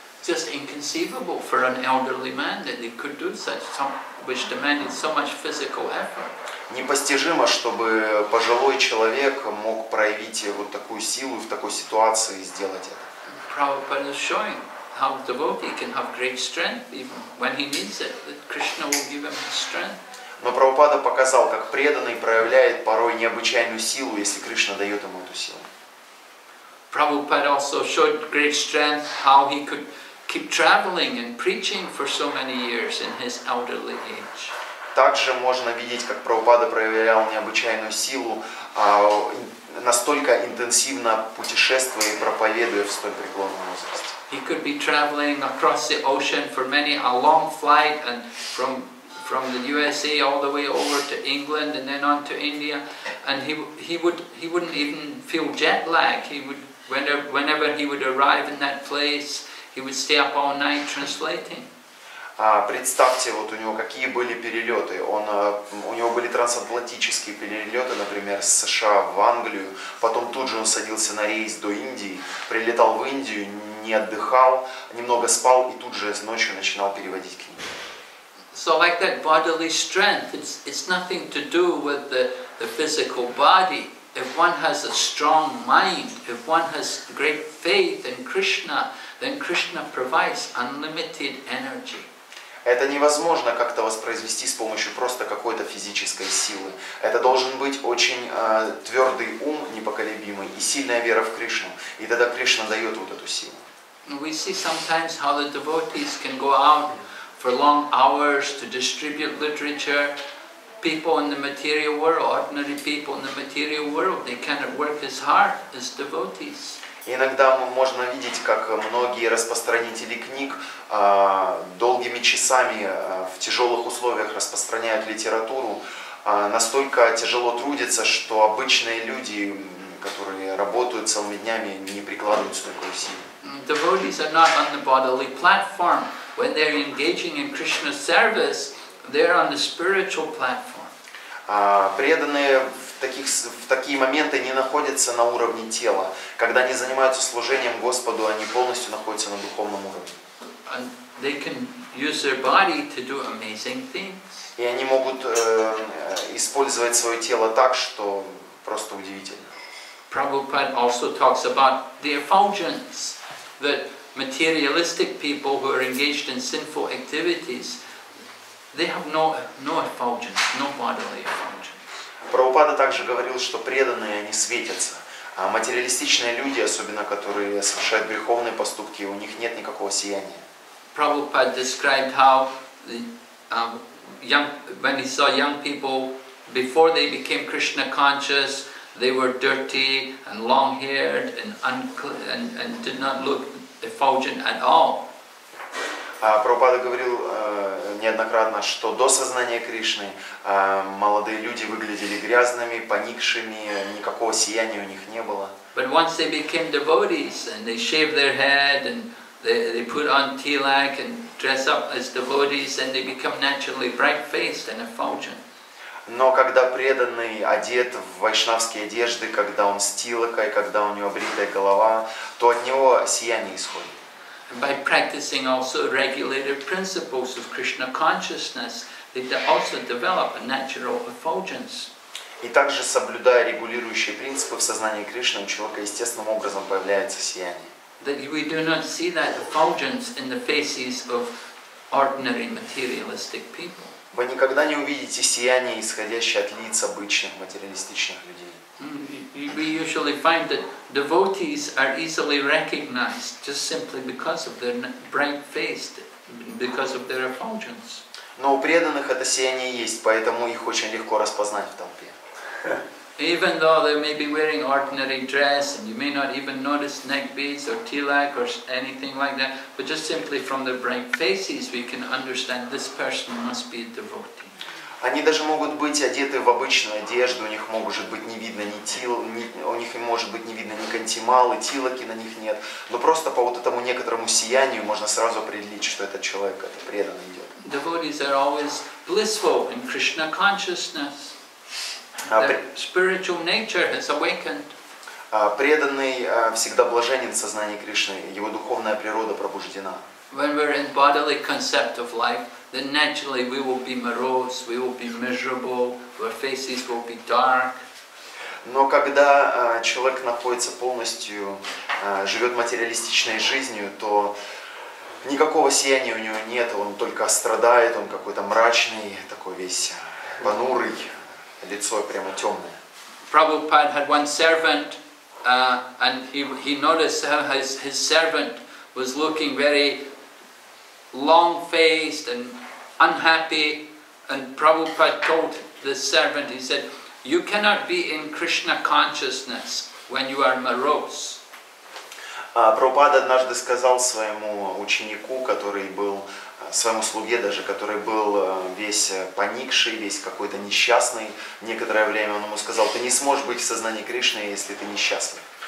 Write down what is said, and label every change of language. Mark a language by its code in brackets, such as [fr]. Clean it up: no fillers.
[en] Just inconceivable for an elderly man that they could do such something, which demanded so much physical effort. [ru] Непостижимо, чтобы пожилой человек мог проявить вот такую силу в такой ситуации и сделать это. [en] Prabhupada is showing how a devotee can have great strength even when he needs it. That Krishna will give him strength. [ru] Но Прабхупада показал, как преданный проявляет порой необычайную силу, если Кришна дает ему эту силу. [en] Prabhupada also showed great strength how he could keep traveling and preaching for so many years in his elderly age. [ru] Также можно видеть, как Прабхупада проявлял необычайную силу, настолько интенсивно путешествуя и проповедуя в столь преклонном возрасте. [en] He could be traveling across the ocean for many a long flight and from the USA all the way over to England and then on to India, and he wouldn't even feel jet lag. Whenever he would arrive in that place, he would stay up all night translating. [ru] Представьте, вот у него какие были перелеты. У него были трансатлантические перелеты, например, с США в Англию. Потом тут же он садился на рейс до Индии, прилетал в Индию, не отдыхал, немного спал и тут же с ночью начинал переводить книги. [en] So like that bodily strength, it's nothing to do with the physical body. If one has a strong mind, if one has great faith in Krishna, then Krishna provides unlimited energy. [ru] Это невозможно как-то воспроизвести с помощью просто какой-то физической силы. Это должен быть очень твердый ум, непоколебимый, и сильная вера в Кришну. И тогда Кришна дает вот эту силу. [en] We see sometimes how the devotees can go out for long hours to distribute literature. People in the material world, ordinary people in the material world, they cannot work as hard as devotees. [ru] Иногда можно видеть, как многие распространители книг долгими часами в тяжелых условиях распространяют литературу, настолько тяжело трудятся, что обычные люди, которые работают целыми днями, не прикладывают столько усилий. [en] Devotees are not on the bodily platform. When they are engaging in Krishna's service, they are on the spiritual platform. [ru] Преданные в такие моменты не находятся на уровне тела. Когда они занимаются служением Господу, они полностью находятся на духовном уровне. [en] And they can use their body to do amazing things. [ru] И они могут использовать свое тело так, что просто удивительно. [en] Prabhupada also talks about the effulgence that materialistic people who are engaged in sinful activities. They have no effulgence, no bodily effulgence. [ru] Прабхупада также говорил, что преданные они светятся, а материалистичные люди, особенно которые совершают греховные поступки, у них нет никакого сияния. [en] Prabhupada described how when he saw young people before they became Krishna conscious, They were dirty and long-haired and unclean and did not look effulgent at all. [ru] Прабхупада говорил неоднократно, что до сознания Кришны молодые люди выглядели грязными, поникшими, никакого сияния у них не было. [en] But once they became devotees and they shaved their head and they put on tilak and dress up as devotees, then they become naturally bright-faced and effulgent. [ru] Но когда преданный одет в вайшнавские одежды, когда он с тилакой, когда у него бритая голова, то от него сияние исходит. [en] By practicing also regulated principles of Krishna consciousness, they also develop a natural effulgence. [ru] И также соблюдая регулирующие принципы в сознании Кришны, у человека естественным образом появляется сияние. [en] That we do not see that effulgence in the faces of ordinary materialistic people. [ru] Вы никогда не увидите сияние, исходящее от лиц обычных материалистичных людей. [en] We usually find that devotees are easily recognized just simply because of their bright face, because of their effulgence. [ru] Но у преданных это сияние есть, поэтому их очень легко распознать в толпе. [en] Even though they may be wearing ordinary dress, and you may not even notice neck beads or tilak or anything like that, but just simply from their bright faces, we can understand this person must be a devotee. [ru] Они даже могут быть одеты в обычную одежду, у них может быть не видно ни тил, у них может быть не видно ни кантималы, тилаки на них нет. Но просто по вот этому некоторому сиянию можно сразу определить, что этот человек это преданный идет. [en] Devotees are always blissful in Krishna consciousness. Their spiritual nature has awakened. [ru] Преданный всегда блаженен в сознании Кришны, его духовная природа пробуждена. [en] When we're in bodily concept of life, then naturally we will be morose, we will be miserable, our faces will be dark. [ru] Но когда человек находится полностью, живет материалистичной жизнью, то никакого сияния у него нет, он только страдает, он какой-то мрачный, такой весь понурый, лицо прямо темное. [en] Prabhupada had one servant, and he noticed how his servant was looking very long-faced and unhappy, and Prabhupada told the servant, he said, you cannot be in Krishna consciousness when you are morose. [ru] Prabhupada однажды сказал своему ученику, который был, своему слуге даже, который был весь поникший, весь какой-то несчастный, некоторое время он ему сказал, ты не сможешь быть в сознании Кришны, если ты несчастный.